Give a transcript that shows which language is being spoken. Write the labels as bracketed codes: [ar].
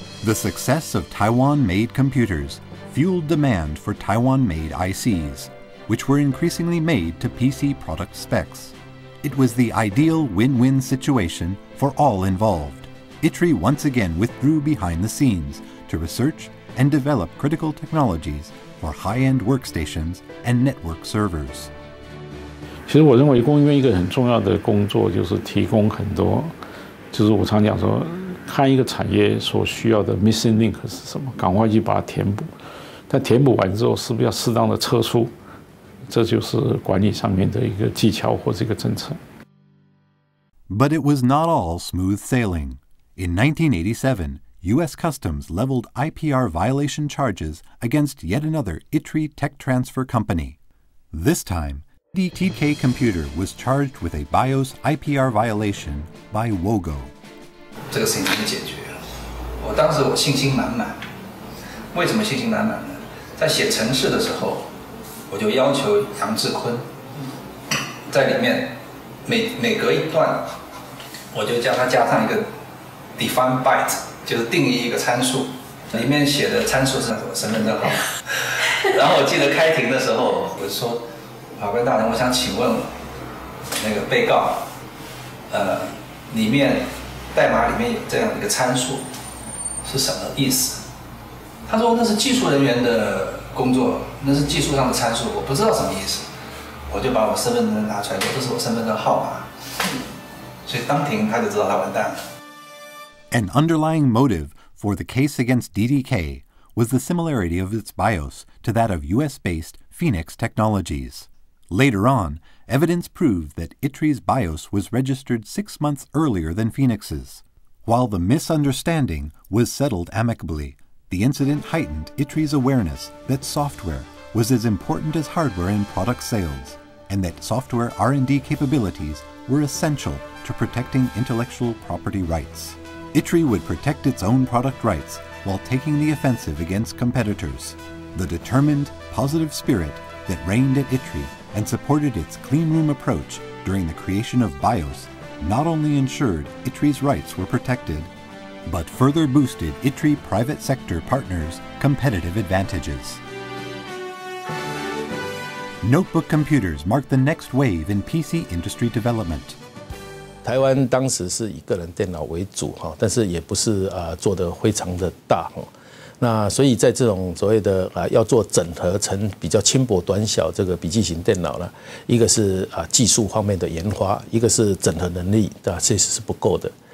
[en] The success of Taiwan-made computers fueled demand for Taiwan-made ICs, which were increasingly made to PC product specs. It was the ideal win-win situation for all involved. ITRI once again withdrew behind the scenes to research and develop critical technologies for high-end workstations and network servers. [zh] 其实我认为供应链一个很重要的工作就是提供很多，就是我常讲说看一个产业所需要的 [en] missing link [zh] 是什么，赶快去把它填补，但填补完之后是不是要适当的撤出，这就是管理上面的一个技巧或是一个政策。 [en] But it was not all smooth sailing. In 1987, US Customs leveled IPR violation charges against yet another ITRI tech transfer company. This timeDTK Computer was charged with a BIOS IPR violation by Wogo. [zh] 这个事情怎么解决啊？我当时我信心满满。为什么信心满满呢？在写程式的时候，我就要求杨志坤在里面 每隔一段我就叫它加上一个 [en] define byte， [zh] 就是定义一个参数，里面写的参数是身份证号。然后我记得开庭的时候我说，法官大人，我想请问那个被告，里面代码里面有这样一个参数是什么意思？他说那是技术人员的工作，那是技术上的参数，我不知道什么意思。我就把我身份证拿出来说，这是我身份证号码。所以当庭他就知道他完蛋了。 [en] An underlying motive for the case against DDK was the similarity of its BIOS to that of US-based Phoenix Technologies. Later on, evidence proved that ITRI's BIOS was registered 6 months earlier than Phoenix's. While the misunderstanding was settled amicably, the incident heightened ITRI's awareness that software was as important as hardware in product sales, and that software R&D capabilities were essential to protecting intellectual property rights. ITRI would protect its own product rights while taking the offensive against competitors. The determined, positive spirit that reigned at ITRI and supported its clean room approach during the creation of BIOS not only ensured ITRI's rights were protected, but further boosted ITRI private sector partners' competitive advantages. Notebook computers marked the next wave in PC industry development. [zh] 台湾当时是以个人电脑为主，但是也不是做得非常的大。那所以在这种所谓的要做整合成比较轻薄短小这个笔记型电脑呢，一个是技术方面的研发，一个是整合能力，这确实是不够的。